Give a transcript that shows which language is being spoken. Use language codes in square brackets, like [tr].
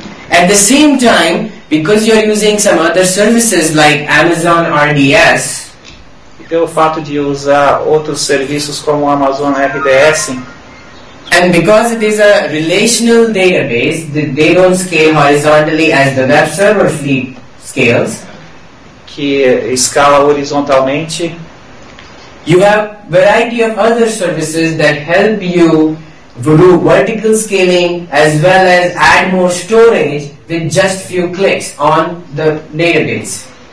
[en] At the same time, because you're using some other services like Amazon RDS, [pt] e pelo fato de usar outros serviços como Amazon RDS, [en] and because it is a relational database, they don't scale horizontally as the web server fleet scales, [pt] que escala horizontalmente, [en] you have variety of other services that help you do vertical scaling as well as add more storage with just few clicks on the database.